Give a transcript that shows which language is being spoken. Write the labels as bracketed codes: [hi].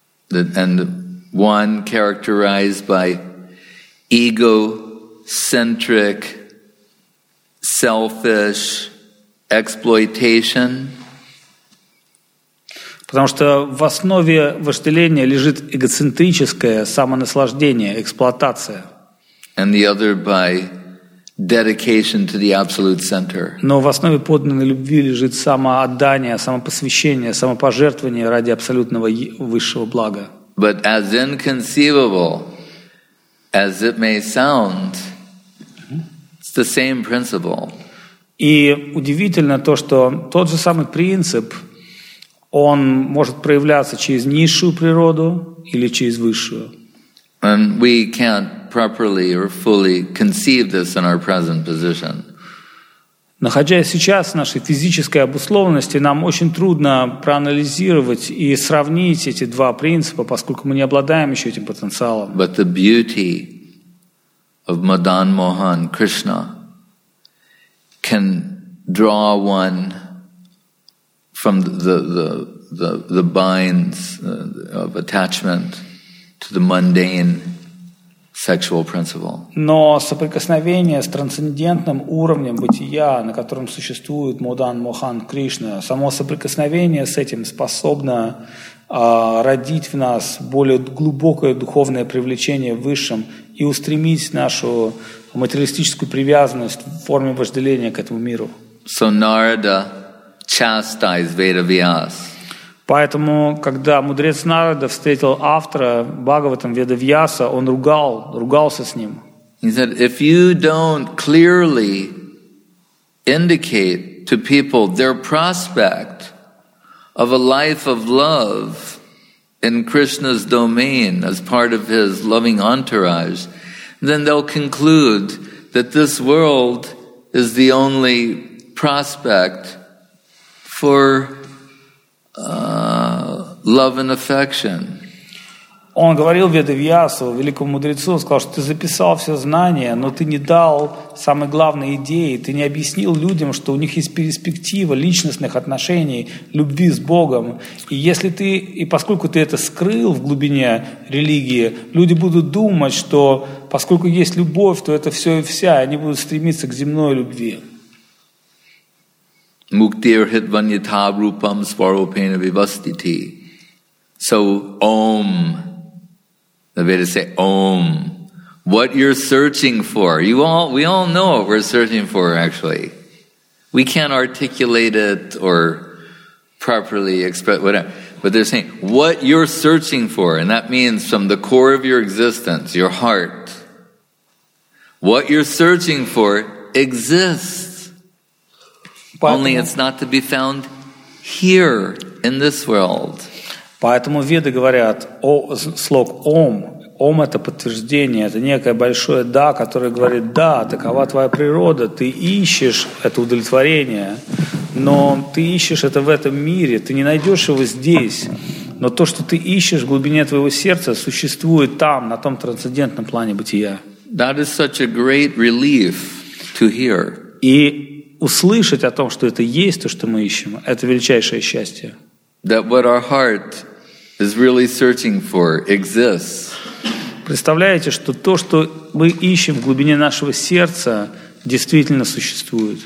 [en] And one characterized by egocentric, selfish exploitation. [ru] Потому что в основе вожделения лежит эгоцентрическое самонаслаждение, эксплуатация. [en] And the other by dedication to the absolute center. [ru] Но в основе подлинной любви лежит самоотдание, самопосвящение, самопожертвование ради абсолютного высшего блага. [en] But as inconceivable as it may sound, the same principle. [ru] И удивительно то, что тот же самый принцип, он может проявляться через низшую природу или через высшую. [en] And we can't properly or fully conceive this in our present position. [ru] Находясь сейчас в нашей физической обусловленности, нам очень трудно проанализировать и сравнить эти два принципа, поскольку мы не обладаем еще этим потенциалом. [en] But the beauty of Madan Mohan Krishna can draw one from the binds of attachment to the mundane sexual principle. [ru] Но соприкосновение с трансцендентным уровнем бытия, на котором существует Мудан Мохан Кришна, само соприкосновение с этим способно родить в нас более глубокое духовное привлечение высшим и устремить нашу материалистическую привязанность в форме вожделения к этому миру. [en] So Narada chastised Vedavyas. [ru] Поэтому, когда мудрец Нарада встретил автора Бхагаватам Ведавьяса, он ругался с ним. [en] He said, if you don't clearly indicate to people their prospect of a life of love in Krishna's domain as part of his loving entourage, then they'll conclude that this world is the only prospect for love and affection. [ru] Он говорил Ведавьясу, великому мудрецу, сказал, что ты записал все знания, но ты не дал самой главной идеи, ты не объяснил людям, что у них есть перспектива личностных отношений, любви с Богом. И если ты, и поскольку ты это скрыл в глубине религии, люди будут думать, что поскольку есть любовь, то это все и вся, и они будут стремиться к земной любви. [sa] Муктир хитваньята рупам сваропена вивастити. [en] So, Om. The Vedas say, Om. What you're searching for. We all know what we're searching for, actually. We can't articulate it or properly express whatever. But they're saying, what you're searching for, and that means from the core of your existence, your heart, what you're searching for exists. Only it's not to be found here in this world. [ru] Поэтому веды говорят о слог «Ом». «Ом» — это подтверждение, это некое большое «да», которое говорит «да, такова твоя природа, ты ищешь это удовлетворение, но ты ищешь это в этом мире, ты не найдешь его здесь, но то, что ты ищешь в глубине твоего сердца, существует там, на том трансцендентном плане бытия». [en] That is such a great relief to hear. [ru] И услышать о том, что это есть то, что мы ищем, это величайшее счастье. [en] That what our heart is really searching for exists. [ru] Представляете, что то, что мы ищем в глубине нашего сердца, действительно существует.